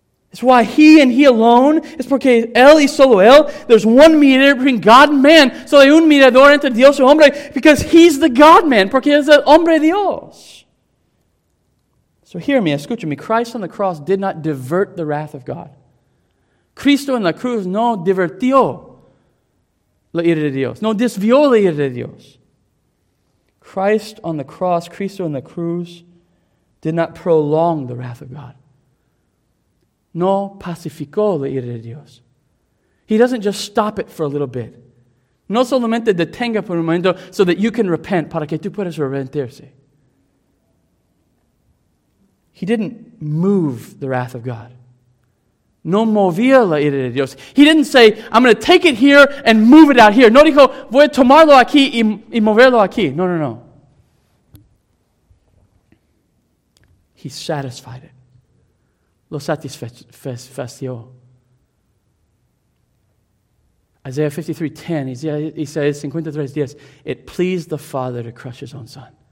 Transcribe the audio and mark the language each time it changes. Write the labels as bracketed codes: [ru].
[en] It's why He and He alone, [es] es porque Él y solo Él, [en] there's one mediator between God and man, so [es] hay un mediador entre Dios y hombre, [en] because He's the God-man, [es] porque es el hombre Dios. [en] So hear me, [es] escúchame, [en] Christ on the cross did not divert the wrath of God. [es] Cristo en la cruz no divertió la ira de Dios. No desvió la ira de Dios. [en] Christ on the cross, [es] Cristo en la cruz, [en] did not prolong the wrath of God. [es] No pacificó la ira de Dios. [en] He doesn't just stop it for a little bit. [es] No solamente detenga por un momento [en] so that you can repent, [es] para que tú puedas arrepentirse. [en] He didn't move the wrath of God. [es] No movía la ira de Dios. [en] He didn't say, I'm going to take it here and move it out here. [es] No dijo, voy a tomarlo aquí y moverlo aquí. No. [en] He satisfied it. [es] lo satisfació. [en] Isaiah 53:10, Isaías 53:10, it pleased the Father to crush his own son.